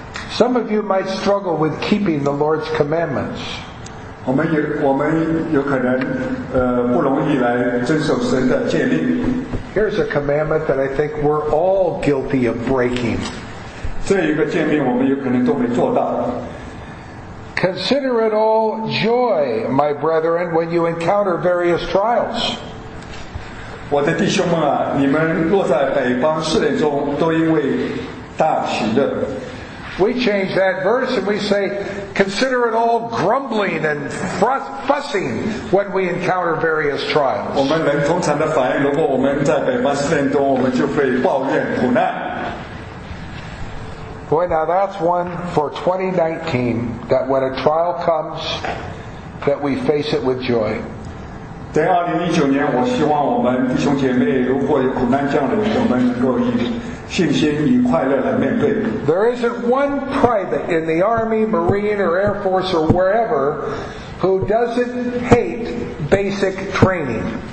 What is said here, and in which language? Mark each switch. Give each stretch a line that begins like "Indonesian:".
English: Some of you might struggle with keeping the Lord's commandments.
Chinese: 我们有可能不容易来遵守神的诫命。
English: Here's a commandment that I think we're all guilty of breaking.
Chinese: 这一个诫命我们有可能都没做到。
English: Consider it all joy, my brethren, when you encounter various trials.
Chinese: 我的弟兄们啊，你们若在北方试炼中，都因为大喜乐。
English: We change that verse and we say, consider it all grumbling and fussing when we encounter various trials.
Chinese: 我们人通常的反应，如果我们在百般试炼中，我们就会抱怨苦难。
English: Boy, now that's one for 2019, that when a trial comes, that we face it with joy.
Chinese: 在2019年，我希望我们弟兄姐妹，如果有苦难降临，我们能够以信心与快乐来面对。
English: There isn't one private in the Army, Marine, or Air Force, or wherever, who doesn't hate basic training.